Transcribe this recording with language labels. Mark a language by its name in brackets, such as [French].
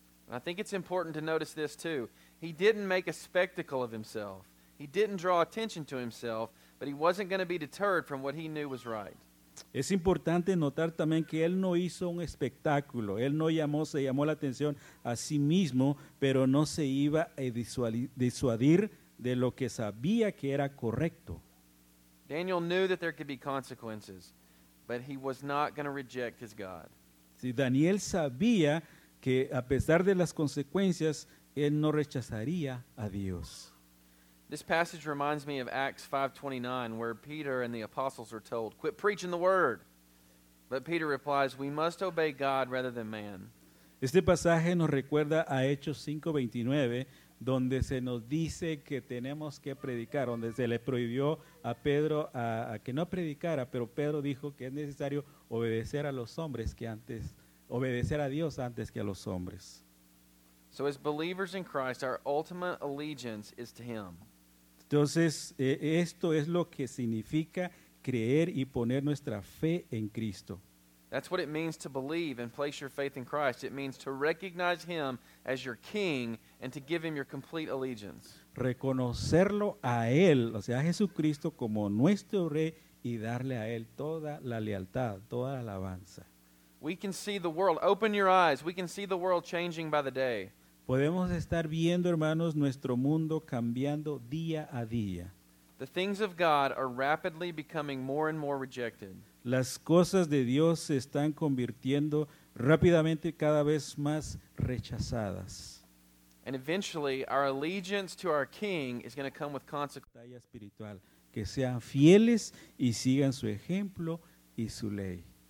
[English] I think it's important to notice this too. He didn't make a spectacle of himself. He didn't draw attention to himself, but he wasn't going to be deterred from what he knew was right. [Spanish] Es importante notar también que él no hizo un espectáculo. Él no llamó, se llamó la atención a sí mismo, pero no se iba a disuadir de lo que sabía que era correcto. [English] Daniel knew that there could be consequences, but he was not going to reject his God. [Spanish] Si Daniel sabía que a pesar de las consecuencias, él no rechazaría a Dios. [English] This passage reminds me of Acts 5:29, where Peter and the apostles are told, quit preaching the word. But Peter replies, we must obey God rather than man. [Spanish] Este pasaje nos recuerda a Hechos 5:29, donde se nos dice que tenemos que predicar, donde se le prohibió a Pedro a que no predicara, pero Pedro dijo que es necesario obedecer a los hombres que antes, obedecer a Dios antes que a los hombres. [English] So as believers in Christ, our ultimate allegiance is to Him. [Spanish] Entonces, esto es lo que significa creer y poner nuestra fe en Cristo. [English] That's what it means to believe and place your faith in Christ. It means to recognize Him as your King and to give Him your complete allegiance. [Spanish] Reconocerlo a Él, o sea, a Jesucristo, como nuestro Rey y darle a Él toda la lealtad, toda la alabanza. [English] We can see the world. Open your eyes. We can see the world changing by the day. [Spanish] Podemos estar viendo, hermanos, nuestro mundo cambiando día a día. [English] The things of God are rapidly becoming more and more rejected. [Spanish] Las cosas de Dios se están convirtiendo rápidamente cada vez más rechazadas. [English] And eventually, our allegiance to our King is going to come with consequences. [Spanish] Espiritual, que sean fieles y sigan su ejemplo y su ley.